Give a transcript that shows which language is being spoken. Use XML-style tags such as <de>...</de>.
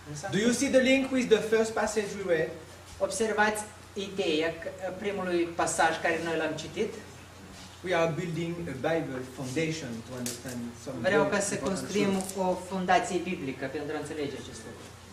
<en>Do you see the link with the first passage we read?</en> <ro>Observați ideea primului pasaj care noi l-am citit?</ro> <en>We are building a Bible foundation to understand some.</en> <ro>Vreau ca să construim o fundație biblică pentru a înțelege acest lucru.</ro>